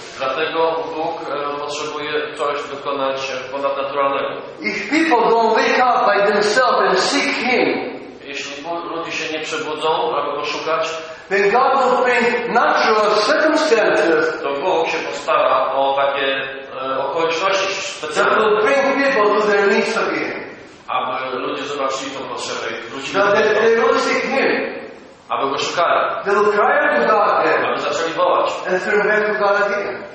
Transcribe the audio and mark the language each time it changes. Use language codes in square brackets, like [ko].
[pl] Dlatego Bóg potrzebuje coś dokonać ponadnaturalnego. [en] If people don't wake up by themselves and seek Him, [pl] jeśli ludzie się nie przebudzą, aby go szukać, [en] then God will bring natural circumstances. [pl] To Bóg się postara o takie okoliczności specjalne. [en] That will bring people to their needs again. [pl] Aby ludzie zobaczyli tą potrzebę i wrócili do tego. [en] They will seek Him. [pl] Aby go szukali. [en] They will cry out to God again. [pl] Aby zaczęli wołać. [en] And turn back to God again.